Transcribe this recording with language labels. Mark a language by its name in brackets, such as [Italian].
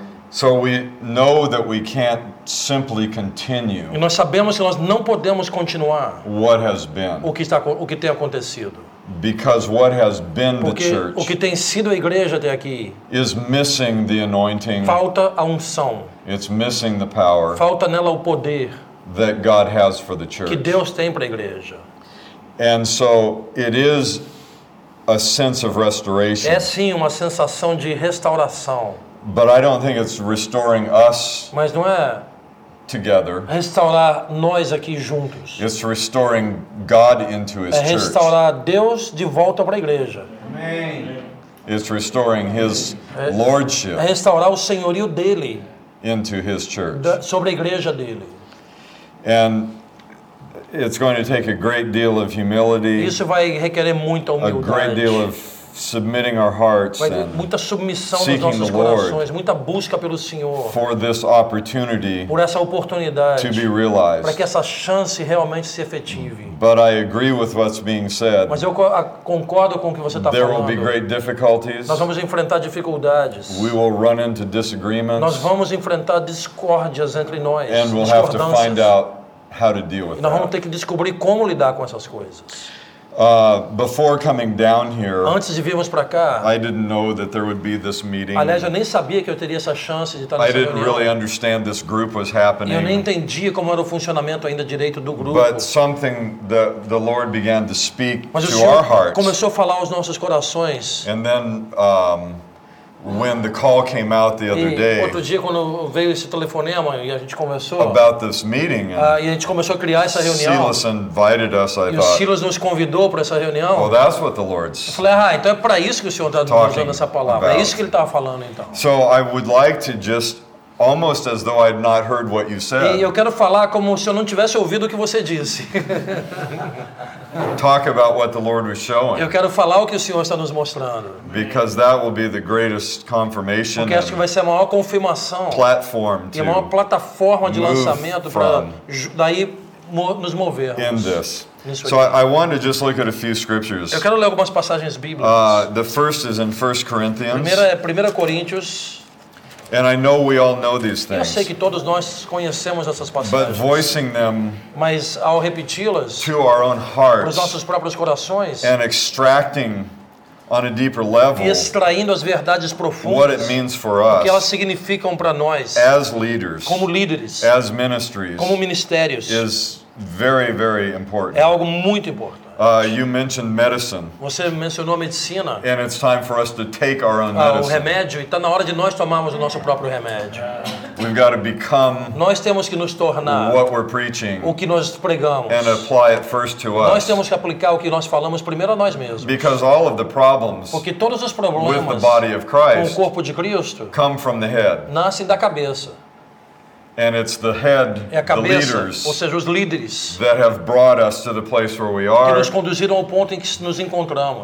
[English] So we know that we can't simply continue. [Portuguese] E nós sabemos que nós não podemos continuar. [English] What has been? [Portuguese] O que tem acontecido? [English] Because what has been [Portuguese] porque [English] the church? [Portuguese] O que tem sido a igreja até aqui? [English] Is missing the anointing. [Portuguese] Falta a unção. [English] It's missing the power. [Portuguese] Falta nela o poder. [English] That God has for the church. [Portuguese] Que Deus tem para a igreja. [English] And so it is a sense of restoration. [Portuguese] É sim uma sensação de restauração. [English] But I don't think it's restoring us [Portuguese] mas não é [English] together. [Portuguese] Restaurar nós aqui juntos. [English] It's restoring God into his church. [Portuguese] É restaurar Deus de volta para a igreja. Amém. [English] It's restoring his lordship. [Portuguese] É restaurar o senhorio dele [English] into his church. [Portuguese] Sobre a igreja dele. [English] And it's going to take a great deal of humility. [Portuguese] Isso vai requerer muita humildade. [English] A great deal of submitting our hearts [Portuguese] vai ter muita submissão dos nossos corações, muita busca pelo Senhor [English] for this opportunity [Portuguese] por essa oportunidade [English] to be realized. [Portuguese] Para que essa chance realmente se efetive. [English] But I agree with what's being said. [Portuguese] Mas eu concordo com o que você está falando. [English] There will be great difficulties. [Portuguese] Nós vamos enfrentar dificuldades. [English] We will run into disagreements. [Portuguese] Nós vamos enfrentar discórdias entre nós. [English] And we'll have to find out how to deal with [Portuguese] e nós vamos ter que descobrir como lidar com essas coisas. [English] Before coming down here, [Portuguese] antes de virmos para cá, [English] I didn't know that there would be this meeting. [Portuguese] Aliás, eu nem sabia que eu teria essa chance de estar nessa reunião. [English] I didn't really understand this group was happening. [Portuguese] E eu nem entendia como era o funcionamento ainda direito do grupo. [English] But something the Lord began to speak [Portuguese] mas [English] to our hearts. [Portuguese] Começou a falar aos nossos corações. [English] And then When the call came out the other day, [Portuguese] outro dia quando veio esse telefonema e a gente conversou [English] about this meeting, [Portuguese] e a gente começou a criar essa reunião. [English] Silas invited us, I thought. [Portuguese] E o Silas nos convidou para essa reunião. [English] Well, that's what the Lord's. [Portuguese] Eu falei, ah, então é para isso que o Senhor está usando essa palavra. [English] About. [Portuguese] É isso que ele estava falando, então. [English] So I would like to just almost as though I had not heard what you said. [Portuguese] E eu quero falar como se eu não tivesse ouvido o que você disse. [English] Talk about what the Lord was showing. [Portuguese] Eu quero falar o que o Senhor está nos mostrando. [English] Because that will be the greatest confirmation. [Portuguese] Porque acho que vai ser a maior confirmação. [English] Platform to [Portuguese] e a maior plataforma de lançamento para daí nos movermos. [English] In this. So I want to just look at a few scriptures. [Portuguese] Eu quero ler algumas passagens bíblicas. [English] The first is in 1 Corinthians. [Portuguese] Primeira é 1 Coríntios. [English] And I know we all know these things. [Portuguese] Eu sei que todos nós conhecemos essas passagens. [English] But voicing them, [Portuguese] mas ao repeti-las, [English] to our own hearts, [Portuguese] para os nossos próprios corações, [English] and extracting on a deeper level, [Portuguese] e extraindo as verdades profundas, [English] what it means for us, [Portuguese] o que elas significam para nós, [English] as leaders, [Portuguese] como líderes, [English] as ministries, [Portuguese] como ministérios, [English] is very, very important. [Portuguese] É algo muito importante. [English] You mentioned medicine. [Portuguese] Você mencionou a medicina. [English] And it's time for us to take our own medicine. [Portuguese] O remédio, e está na hora de nós tomarmos o nosso próprio remédio. [English] We've got to become. [Portuguese] Nós temos que nos tornar. [English] What we're preaching. [Portuguese] O que nós pregamos. [English] And apply it first to us. [Portuguese] Nós temos que aplicar o que nós falamos primeiro a nós mesmos. [English] Because all of the problems. [Portuguese] Porque todos os problemas. [English] With the body of Christ. [Portuguese] Com o corpo de Cristo. [English] Come from the head. [Portuguese] Nascem da cabeça. [English] And it's the head, [Portuguese] é a cabeça, [English] the leaders, [Portuguese] ou seja, os líderes, [English] that have brought us to the place where we are. [Portuguese] Que nos conduziram ao ponto em que nos encontramos.